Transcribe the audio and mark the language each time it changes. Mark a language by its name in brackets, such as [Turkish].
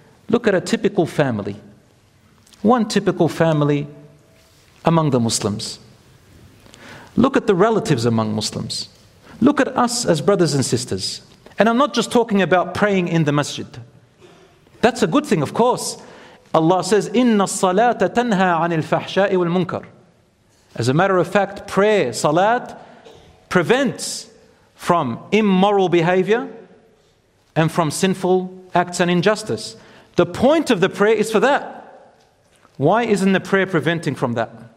[English] Look at a typical family. One typical family among the Muslims. Look at the relatives among Muslims. Look at us as brothers and sisters. And I'm not just talking about praying in the masjid. That's a good thing, of course. Allah says, [Arabic] إِنَّ الصَّلَاةَ تَنْهَى عَنِ الْفَحْشَاءِ وَالْمُنْكَرِ. [English] As a matter of fact, prayer, salat, prevents from immoral behavior and from sinful acts and injustice. The point of the prayer is for that. Why isn't the prayer preventing from that?